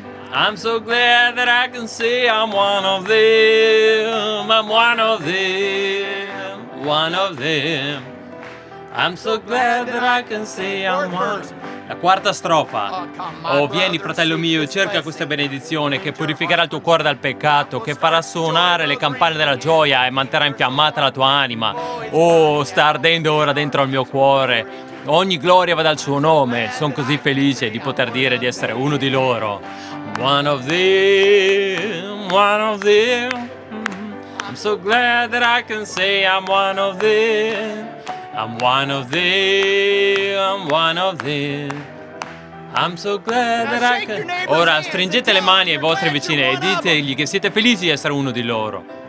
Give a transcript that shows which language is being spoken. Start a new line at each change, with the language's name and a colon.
English: I'm so glad that I can say I'm one of them. I'm one of them. One of them. I'm so glad that I can say I'm one.
Italian: La quarta strofa. Oh, vieni, fratello mio, cerca questa benedizione che purificherà il tuo cuore dal peccato, che farà suonare le campane della gioia e manterrà infiammata la tua anima. Oh, sta ardendo ora dentro al mio cuore. Ogni gloria vada al suo nome. Sono così felice di poter dire di essere uno di loro.
English: One of them, one of them. I'm so glad that I can say I'm one of them. I'm one of them, I'm one of them. I'm so glad that I can...
Italian: Ora stringete le mani ai vostri vicini e ditegli che siete felici di essere uno di loro.